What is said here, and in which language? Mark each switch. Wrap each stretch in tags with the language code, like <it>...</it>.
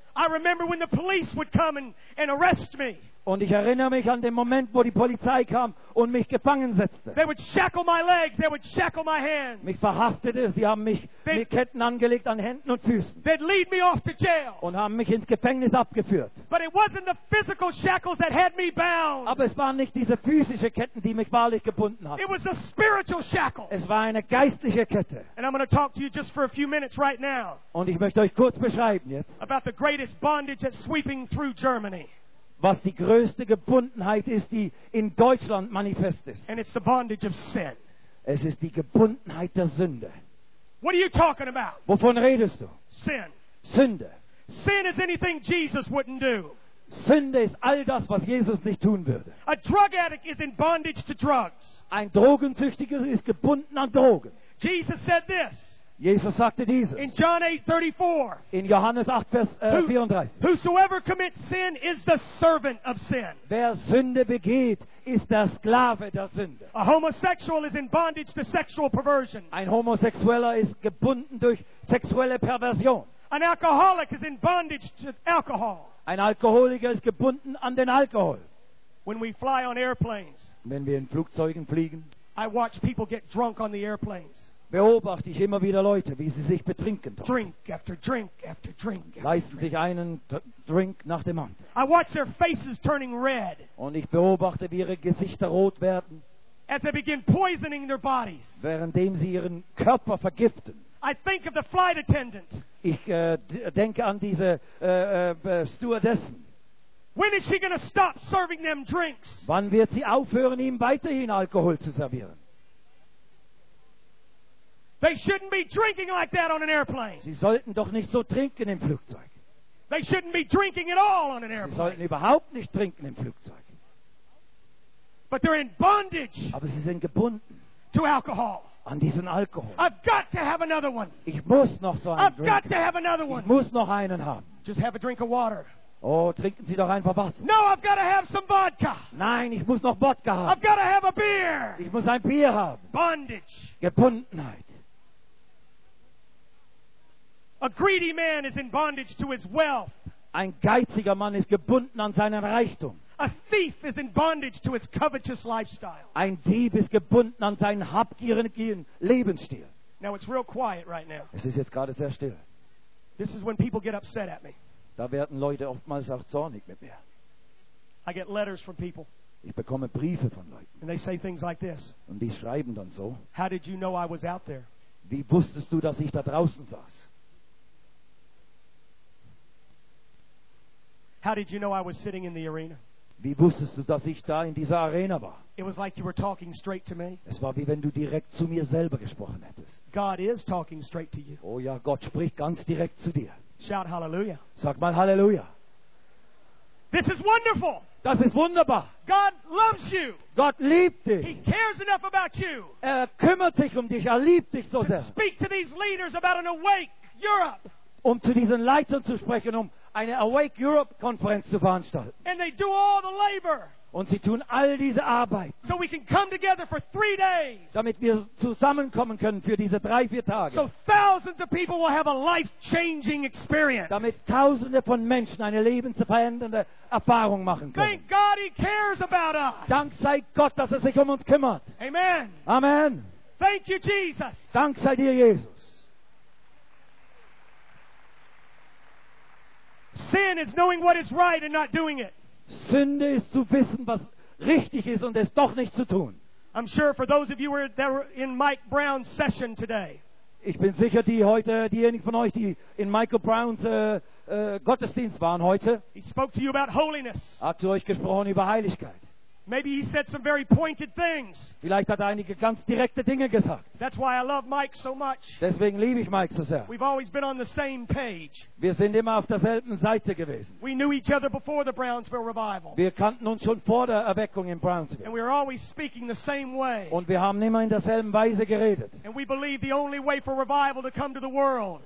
<en>I remember when the police would come and arrest me.</en> <de>Und ich erinnere mich an den Moment, wo die Polizei kam und mich gefangen setzte.</de> <en>They would shackle my legs, they would shackle my hands.</en> <de>Mich verhaftete, sie haben mich mit Ketten angelegt an Händen und Füßen.</de> <en>They'd lead me off to jail.</en> <de>Und haben mich ins Gefängnis abgeführt.</de> <en>But it wasn't the physical shackles that had me bound.</en> <de>Aber es waren nicht diese physischen Ketten, die mich wahrlich gebunden hatten.</de> <en>It was a spiritual shackle.</en> <de>Es war eine geistliche Kette.</de> <en>And I'm going to talk to you just for a few minutes right now.</en> <de>Und ich möchte euch kurz beschreiben jetzt.</de> <en>About the greatest bondage that's sweeping through Germany.</en> <de>Was die größte Gebundenheit ist, die in Deutschland manifest ist.</de> <en>And it's the bondage of sin.</en> <de>Es ist die Gebundenheit der Sünde.</de> <en>What are you talking about?</en> <de>Wovon redest du?</de> <en>Sin.</en> <de>Sünde.</de> <en>Sin is anything Jesus wouldn't do.</en> <de>Sünde ist all das, was Jesus nicht tun würde.</de> <en>A drug addict is in bondage to drugs.</en> <de>Ein Drogenzüchtiger ist gebunden an Drogen.</de> <en>Jesus said this.</en> <de>Jesus sagte dieses.</de> <en>In John 8:34.</en> <de>In Johannes 8, Vers 34.</de> <en>Whosoever commits sin is the servant of sin.</en> <de>Wer Sünde begeht, ist der Sklave der Sünde.</de> <en>A homosexual is in bondage to sexual perversion.</en> <de>Ein Homosexueller ist gebunden durch sexuelle Perversion.</de> <en>An alcoholic is in bondage to alcohol.</en> <de>Ein Alkoholiker ist gebunden an den Alkohol.</de> <en>When we fly on airplanes,</en> <de>wenn wir in Flugzeugen fliegen,</de> <en>I watch people get drunk on the airplanes.</en> <de>Beobachte ich immer wieder Leute, wie sie sich betrinken. Dort.</de> <en>Drink after drink after drink. After</en> <de>leisten sich einen Drink nach dem anderen.</de> <en>I watch their faces turning red.</en> <de>Und ich beobachte, wie ihre Gesichter rot werden.</de> <en>As they begin poisoning their bodies.</en> <de>Währenddem sie ihren Körper vergiften.</de> <en>I think of the flight attendant.</en> <de>Ich denke an diese Stewardessen.</de> <en>When is she going to stop serving them drinks?</en> <de>Wann wird sie aufhören, ihm weiterhin Alkohol zu servieren?</de> <en>They shouldn't be drinking like that on an airplane.</en> <de>Sie sollten doch nicht so trinken im Flugzeug.</de> <en>They shouldn't be drinking at all on an airplane.</en> <de>Sie sollten überhaupt nicht trinken im Flugzeug.</de> <en>But they're in bondage.</en> <de>Aber sie sind gebunden.</de> <en>To alcohol.</en> <de>An diesen Alkohol.</de> <en>I've got to have another one.</en> <de>Ich muss noch so einen trinken.</de> <en>I've got to have another one.</en> <de>Ich muss noch einen haben.</de> <en>Just have a drink of water.</en> <de>Oh, trinken Sie doch einfach was.</de> <en>No, I've got to have some vodka.</en> <de>Nein, ich muss noch Wodka haben.</de> <en>I've got to have a beer.</en> <de>Ich muss ein Bier haben.</de> <en>Bondage.</en> <de>Gebundenheit.</de> <en>A greedy man is in bondage to his wealth.</en> <de>Ein geiziger Mann ist gebunden an seinen Reichtum.</de> <en>A thief is in bondage to his covetous lifestyle.</en> <de>Ein Dieb ist gebunden an seinen habgierigen Lebensstil.</de> <en>Now it's real quiet right now.</en> <de>Es ist jetzt gerade sehr still.</de> <en>This is when people get upset at me.</en> <de>Da werden Leute oftmals auch zornig mit mir.</de> <en>I get letters from people.</en> <de>Ich bekomme Briefe von Leuten.</de> <en>And they say things like this.</en> <de>Und die schreiben dann so.</de> <en>How did you know I was out there?</en> <de>Wie wusstest du, dass ich da draußen saß?</de> <en>How did you know I was sitting in the arena?</en> <de>Wie wusstest du, dass ich da in dieser Arena war?</de> <en>It was like you were talking straight to me.</en> <de>Es war wie wenn du direkt zu mir selber gesprochen hättest.</de> <en>God is talking straight to you.</en> <de>Oh ja, Gott spricht ganz direkt zu dir.</de> <en>Shout hallelujah.</en> <de>Sag mal Halleluja.</de> <en>This is wonderful.</en> <de>Das ist wunderbar.</de> <en>God loves you.</en> <de>Gott liebt dich.</de> <en>He cares enough about you.</en> <de>Er kümmert sich um dich, er liebt dich so</de> <en>to</en> <de>sehr.</de> <en>Speak to these leaders about an awake Europe.</en> <de>Um zu diesen Leitern zu sprechen, um eine Awake Europe Konferenz zu veranstalten.</de> <en>And they do all the labor.</en> <de>Und sie tun all diese Arbeit.</de> <en>So we can come together for 3 days.</en> <de>Damit wir zusammenkommen können für diese 3-4 Tage.</de> <en>So thousands of people will have a life-changing experience.</en> <de>Damit tausende von Menschen eine lebensverändernde Erfahrung machen können.</de> <en>Thank God he cares about us.</en> <de>Dank sei Gott, dass er sich um uns kümmert.</de> <en>Amen.</en> <de>Amen.</de> <en>Thank you, Jesus.</en> <de>Dank sei dir, Jesus.</de> <en>Sin is knowing what is right and not doing it.</en> <de>Sünde ist zu wissen, was richtig ist und es doch nicht zu tun.</de> <en>I'm sure for those of you that were in Mike Brown's session today.</en> <de>Ich bin sicher, die heute, diejenigen von euch, die in Michael Browns Gottesdienst waren heute.</de> <en>He spoke to you about holiness.</en> <de>Hat zu euch gesprochen über Heiligkeit.</de> <en>Maybe he said some very pointed things.</en> <de>Vielleicht hat er einige ganz direkte Dinge gesagt.</de> <en>That's why I love Mike so much.</en> <de>Deswegen liebe ich Mike so sehr.</de> <en>We've always been on the same page.</en> <de>Wir sind immer auf derselben Seite gewesen.</de> <en>We knew each other before the Brownsville revival.</en> <de>Wir kannten uns schon vor der Erweckung in Brownsville.</de> <en>And we were always speaking the same way.</en> <de>Und wir haben immer in derselben Weise geredet.</de> <en>And we believe the only way for revival to come to the world.</en>